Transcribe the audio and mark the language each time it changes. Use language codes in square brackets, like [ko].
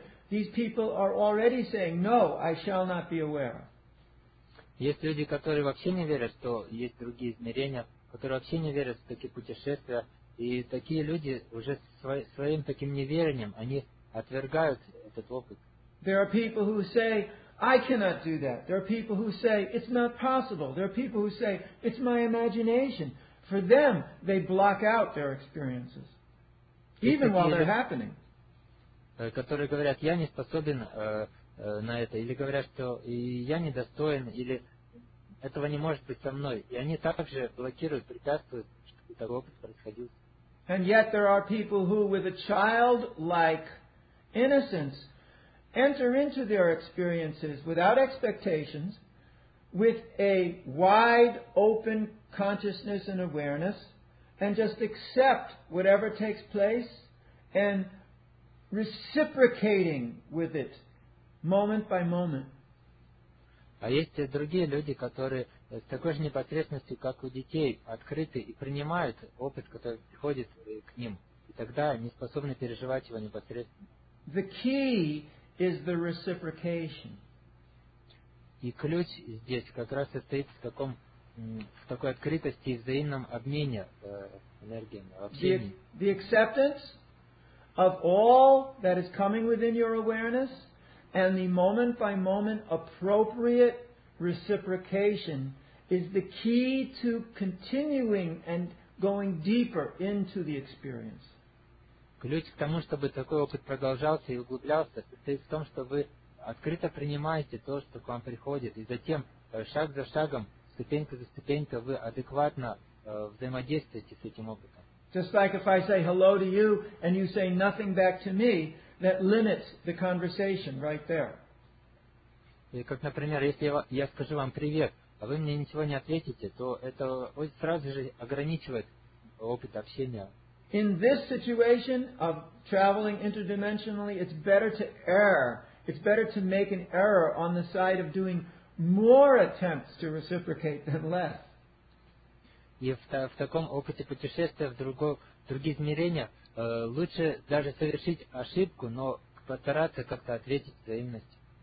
[en] These people are already saying, no, I shall not be aware. [ru] Есть люди, которые вообще не верят, что есть другие измерения, которые вообще не верят в такие путешествия, и такие люди уже своим таким неверением, они отвергают этот опыт. [en] There are people who say, I cannot do that. There are people who say, it's not possible. There are people who say, it's my imagination. For them, they block out their experiences, even while they're happening. [ru] Которые говорят, я не способен на это, или говорят, что я недостоин, или этого не может быть со мной. И они также блокируют, препятствуют, чтобы такой опыт происходил. [en] And yet there are people who, with a childlike innocence, enter into their experiences without expectations, with a wide open consciousness and awareness, and just accept whatever takes place, and reciprocating with it, moment by moment. [ru] А есть другие люди, которые с такой же непосредственностью, как у детей, открыты и принимают опыт, который приходит к ним, и тогда не способны переживать его непосредственно. [en] The key is the reciprocation. [ru] И ключ здесь как раз состоит в таком, в такой открытости и взаимном обмене энергиями. [en] The acceptance of all that is coming within your awareness, and the moment-by-moment appropriate reciprocation is the key to continuing and going deeper into the experience. [ru] Ключ к тому, чтобы такой опыт продолжался и углублялся, состоит в том, что вы открыто принимаете то, что к вам приходит, и затем шаг за шагом, ступенька за ступенькой, вы адекватно взаимодействуете с этим опытом. [en] Just like if I say hello to you and you say nothing back to me, that limits the conversation right there. [ru] И как, например, если я скажу вам привет, а вы мне ничего не ответите, то это сразу же ограничивает опыт общения. [en] In this situation of traveling interdimensionally, it's better to err. It's better to make an error on the side of doing more attempts to reciprocate than less. [ru] И в таком опыте путешествия в другие измерения лучше даже совершить ошибку, но постараться как-то ответить взаимностью.